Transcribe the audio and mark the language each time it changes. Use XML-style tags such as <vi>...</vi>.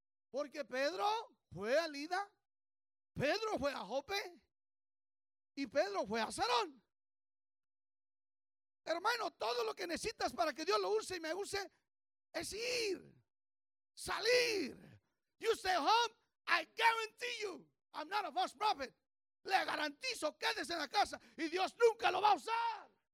<es>Porque Pedro fue a Lida, Pedro fue a Jope y Pedro fue a Sarón. Hermano, todo lo que necesitas para que Dios lo use y me use es ir, salir.</es> <en>You stay home. I guarantee you, I'm not a false prophet.</en> <es>Le garantizo, quédese en la casa y Dios nunca lo va a usar.</es>